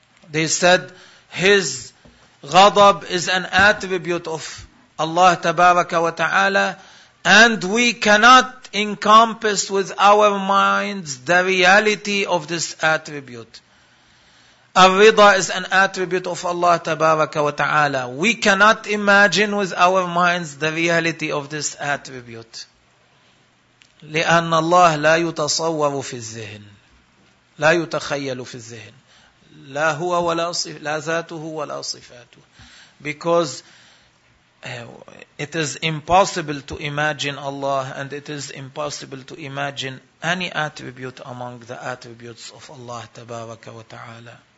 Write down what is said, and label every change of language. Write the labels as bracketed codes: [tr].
[en] They said his غضب is an attribute of Allah tabaraka wa ta'ala and we cannot encompass with our minds the reality of this attribute. Al-Rida is an attribute of Allah tabaraka wa ta'ala. We cannot imagine with our minds the reality of this attribute. [ar] لأن الله لا يتصور في الذهن، لا يتخيل في الذهن، لا هو ولا صف، لا ذاته ولا صفاته. [en] Because it is impossible to imagine Allah and it is impossible to imagine any attribute among the attributes of Allah تبارك وتعالى.